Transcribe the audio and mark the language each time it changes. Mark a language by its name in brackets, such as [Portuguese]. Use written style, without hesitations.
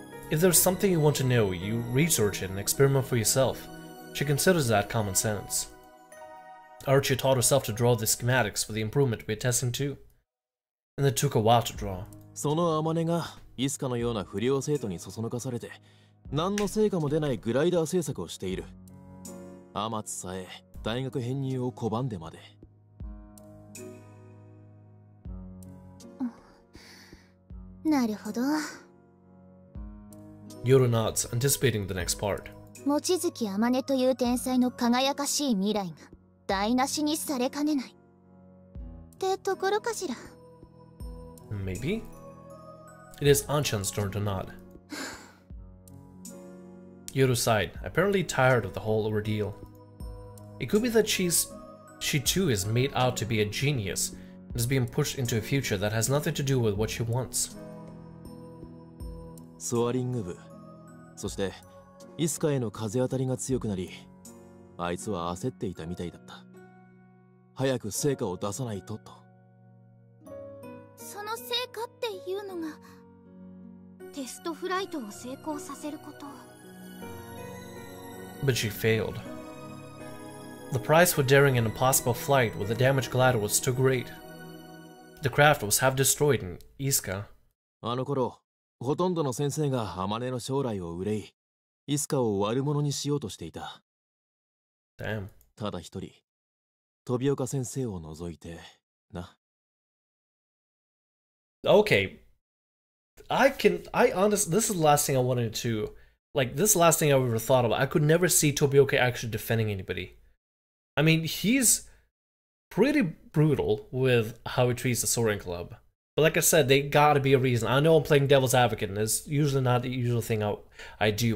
[English] If there's something you want to know, you research it and experiment for yourself. She considers that common sense. Archie taught herself to draw the schematics for the improvement we're testing too. And it took a while to draw. [Japanese] そのアマネがイスカのような不良生徒にそそのかされて、何の成果も出ないグライダー制作をしている。あまつさえ大学編入を拒んでまで。なるほど。 [English] Yoru nods, anticipating the next part. [Japanese] Mochizuki Amane という天才の輝かしい未来が台無しにされかねない。ってところかしら。 [English] Maybe? It is Anchan's turn to nod. Yoru sighed, apparently tired of the whole ordeal. It could be that she too is made out to be a genius and is being pushed into a future that has nothing to do with what she wants. Soaring Club. [Japanese] そして、イスカへの風当たりが強くなり、あいつは焦っていたみたいだった。早く成果を出さないとと。その成果っていうのが、テストフライトを成功させること。 [English] But she failed. The price for daring an impossible flight with a damaged glider was too great. The craft was half destroyed in Iska. [Japanese] あの頃、ほとんどの先生がアマネの将来を憂い、イスカを悪者にしようとしていた。 [English] Damn. [Japanese] ただ一人、トビオカ先生を除いてな。 [English] Okay. This is the last thing I wanted to. Like, this is the last thing I ever thought about. I could never see Tobioka actually defending anybody. I mean, he's pretty brutal with how he treats the Soaring Club. But like I said, they gotta be a reason. I know I'm playing devil's advocate, and it's usually not the usual thing I do.